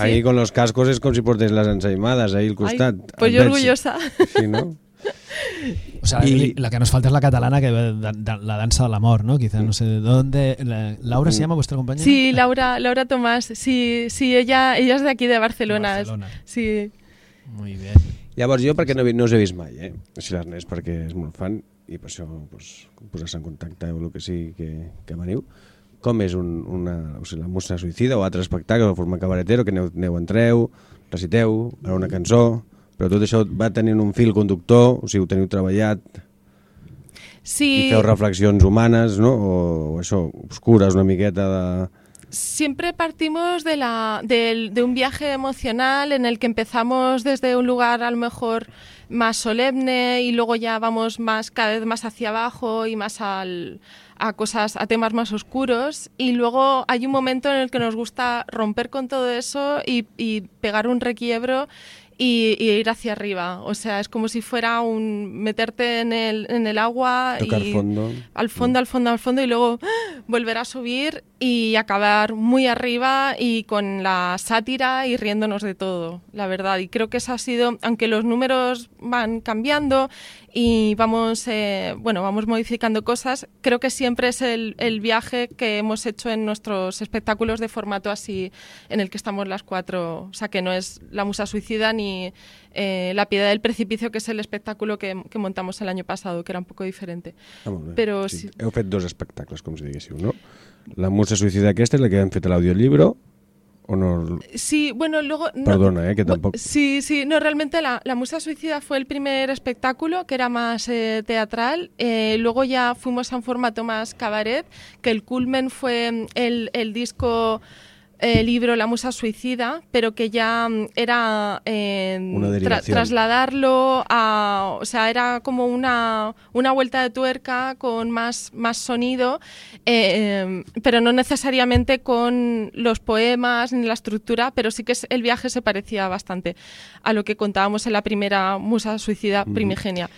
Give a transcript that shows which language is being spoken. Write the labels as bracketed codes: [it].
[es] Ahí con los cascos es como si portes las ensaimadas, ahí [ca] el costat. [es] Ay, pues yo orgullosa. Sí, ¿no? O sea, la que nos falta es la catalana, que la danza del amor, ¿no? Quizá, no sé, ¿de dónde? ¿Laura se llama vuestra compañera? Sí, Laura Tomás, sí, sí, ella es de aquí, de Barcelona. Sí. Muy bien. [ca] Llavors, jo, perquè no us he vist mai, si l'Ernest, perquè és molt fan, i per això, pues, posar-se en contacte o el que sigui que veniu. Com és la Mostra Suïcida o altre espectacle, o el format cabaretero, que aneu, entreu, reciteu, ara una cançó... Però tot això va tenint un fil conductor, o sigui, ho teniu treballat, sí. I feu reflexions humanes, no? O això, obscures una miqueta de... [es] Siempre partimos de un viaje emocional en el que empezamos desde un lugar a lo mejor más solemne y luego ya vamos más, cada vez más hacia abajo y más a temas más oscuros, y luego hay un momento en el que nos gusta romper con todo eso y pegar un requiebro y ir hacia arriba. O sea, es como si fuera un meterte en el agua, tocar y fondo. Al fondo, al fondo, al fondo, y luego volver a subir y acabar muy arriba y con la sátira y riéndonos de todo, la verdad. Y creo que eso ha sido, aunque los números van cambiando y vamos, bueno, vamos modificando cosas, creo que siempre es el viaje que hemos hecho en nuestros espectáculos de formato así, en el que estamos las cuatro. O sea, que no es La Musa Suicida ni La Piedad del Precipicio, que es el espectáculo que montamos el año pasado, que era un poco diferente. Pero sí. [ca] Heu fet dos espectacles, com si diguéssiu, no? La Musa Suïcida aquesta és la que hem fet a l'audiollibre, o no? [es] Sí, bueno, luego... [ca] Perdona, no, que tampoc... [es] Sí, sí, no, realmente la Musa Suïcida fue el primer espectáculo, que era más teatral. Luego ya fuimos a un formato más cabaret, que el culmen fue el disco... libro La Musa Suicida, pero que ya era trasladarlo a, o sea, era como una vuelta de tuerca con más sonido, pero no necesariamente con los poemas ni la estructura, pero sí que el viaje se parecía bastante a lo que contábamos en la primera Musa Suicida primigenia.